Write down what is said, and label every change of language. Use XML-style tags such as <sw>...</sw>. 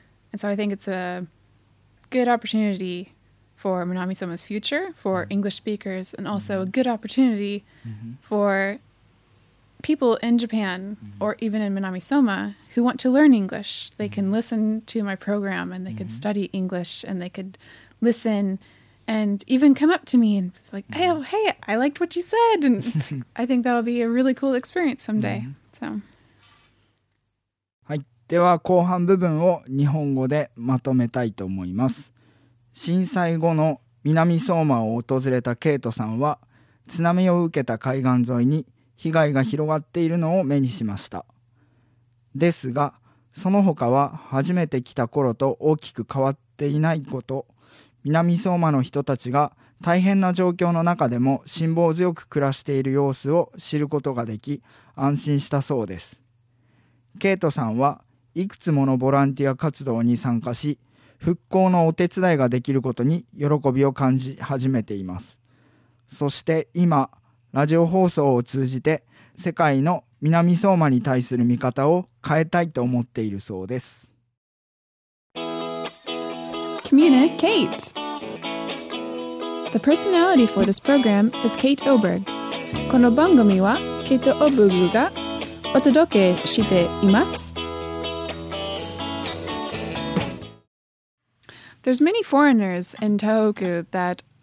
<en>And so I think it's a good opportunity for Minami Soma's future, for English speakers, and also a good opportunity for people in Japan or even in Minami Soma who want to learn English. They can listen to my program and they can study English and they could listen and even come up to me and it's like, hey, oh, hey, I liked what you said. And I think that will be a really cool experience someday.</en> <ja>はい、では後半部分を日本語でまとめたいと思います。震災後の南相馬を訪れたケイトさんは、津波を受けた海岸沿いに被害が広がっているのを目にしました。ですが、その他は初めて来た頃と大きく変わっていないこと、南相馬の人たちが大変な状況の中でも辛抱強く暮らしている様子を知ることができ、安心したそうです。ケイトさんはいくつものボランティア活動に参加し、復興のお手伝いができることに喜びを感じ始めています。そして今、ラジオ放送を通じて世界の南相馬に対する見方を変えたいと思っているそうです。</ja> <en>Communicate. The personality for this program is Kate Oberg.</en> <ja>この番組は Kate Oberg がお届けしています。</ja> <en>There's many foreigners in Tohoku that</en>